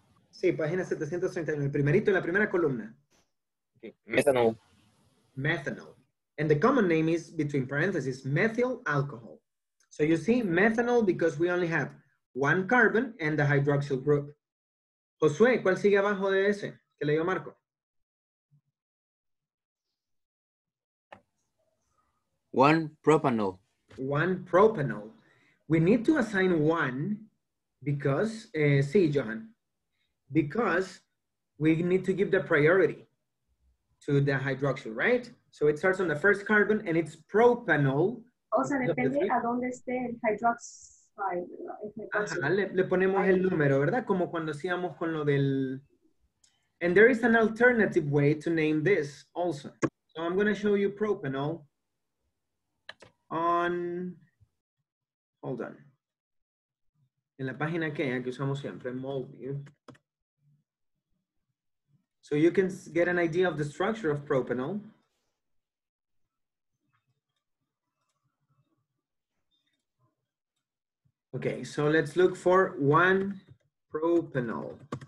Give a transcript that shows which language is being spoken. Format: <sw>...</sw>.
<es>Sí, página 731, el primerito en la primera columna.</es> <en>Methanol. Methanol. And the common name is, between parentheses, methyl alcohol. So you see methanol because we only have one carbon and the hydroxyl group.</en> <es>Josué, ¿cuál sigue abajo de ese? ¿Qué le dio Marco?</es> <en>One propanol. One propanol. We need to assign one because, sí, Johan, because we need to give the priority to the hydroxyl, right? So it starts on the first carbon and it's propanol.</en> <es>O sea, depende a dónde esté el hydroxyl. Ajá, le ponemos el número, ¿verdad? Como cuando hacíamos con lo del...</es> <en>And there is an alternative way to name this also. So I'm going to show you propanol on... Hold on.</en> <es>En la página aquella que usamos siempre, MolView.</es> <en>So you can get an idea of the structure of propanol. Okay, so let's look for 1-propanol.</en>